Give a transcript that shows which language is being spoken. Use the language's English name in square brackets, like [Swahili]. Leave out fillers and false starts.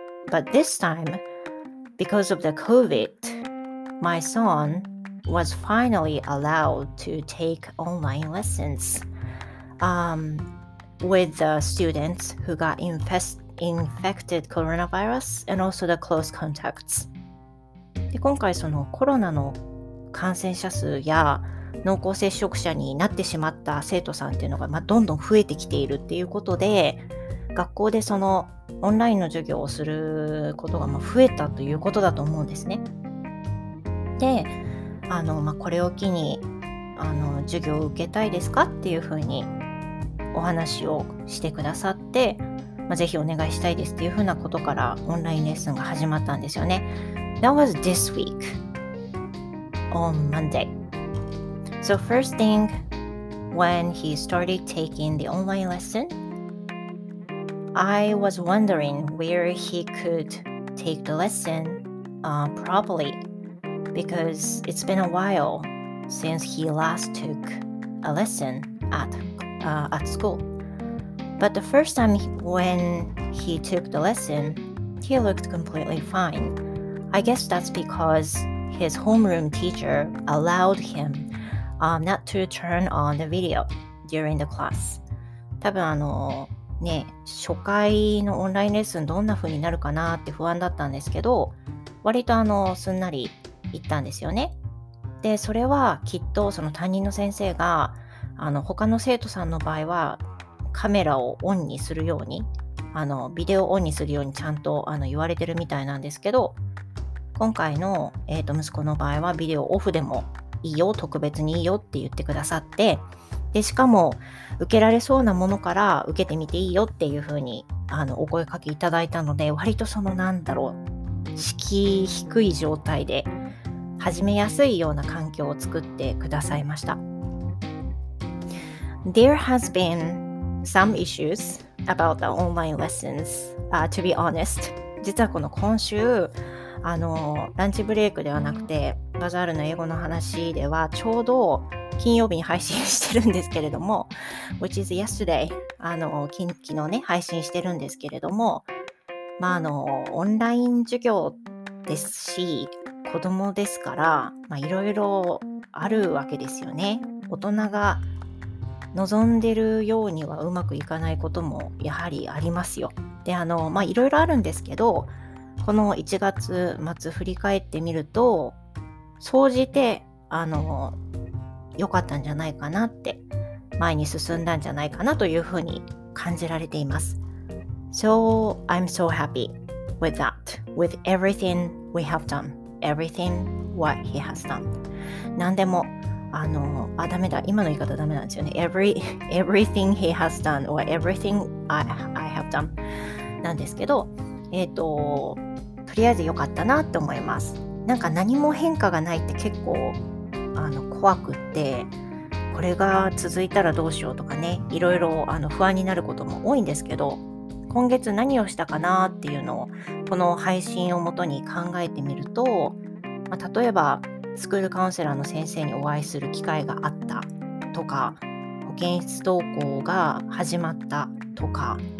[English] But this time, because of the COVID, my son was finally allowed to take online lessons with the students who got infected coronavirus and also the close contacts. [Japanese] で、今回そのコロナの感染者数や濃厚接触者になってしまった生徒さんっていうのが、まあ、どんどん増えてきているっていうことで、学校でそのオンラインの授業をすることが増えたということだと思うんですね。で、これを機に授業を受けたいですかっていうふうにお話をしてくださって、まあ、ぜひお願いしたいですっていうふうなことからオンラインレッスンが始まったんですよね。 [English] That was this week on Monday. So first thing, when he started taking the online lesson,I was wondering where he could take the lesson properly because it's been a while since he last took a lesson at school. But the first time when he took the lesson, he looked completely fine. I guess that's because his homeroom teacher allowed him not to turn on the video during the class. [Japanese] 多分ね、初回のオンラインレッスンどんな風になるかなって不安だったんですけど、割とすんなり行ったんですよね。で、それはきっとその担任の先生が他の生徒さんの場合はカメラをオンにするように、ビデオオンにするようにちゃんと言われてるみたいなんですけど、今回の、息子の場合はビデオオフでもいいよ、特別にいいよって言ってくださって、でしかも受けられそうなものから受けてみていいよっていう風にお声かけいただいたので、割とそのなんだろう、敷居低い状態で始めやすいような環境を作ってくださいました。 [English] There has been some issues about the online lessons, to be honest. [Japanese] 実はこの今週ランチブレイクではなくてバザールの英語の話ではちょうど金曜日に配信してるんですけれども [English] which is yesterday [Japanese] 昨日ね配信してるんですけれども、まあオンライン授業ですし子供ですから、まあ、いろいろあるわけですよね。大人が望んでるようにはうまくいかないこともやはりありますよ。で、まあ、いろいろあるんですけど、この1月末振り返ってみると総じて良かったんじゃないかなって、前に進んだんじゃないかなというふうに感じられています。 [English] So I'm so happy with that, with everything we have done, everything what he has done. [Japanese] 何でもダメだ、今の言い方ダメなんですよね。 [English] Everything he has done or everything I have done [Japanese] なんですけど、とりあえず良かったなって思います。なんか何も変化がないって結構怖くって、これが続いたらどうしようとかね、いろいろ不安になることも多いんですけど、今月何をしたかなっていうのをこの配信をもとに考えてみると、まあ、例えばスクールカウンセラーの先生にお会いする機会があったとか、保健室登校が始まったとか、